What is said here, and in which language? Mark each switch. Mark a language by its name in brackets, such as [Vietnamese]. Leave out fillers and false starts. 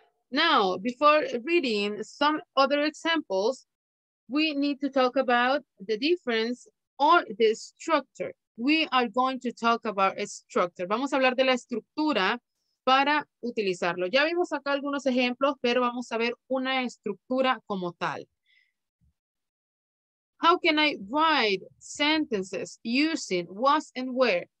[English] Now, before reading some other examples, we need to talk about the difference or the structure. We are going to talk about a structure. [Spanish] Vamos a hablar de la estructura para utilizarlo. Ya vimos acá algunos ejemplos, pero vamos a ver una estructura como tal. [English] How can I write sentences using was and where?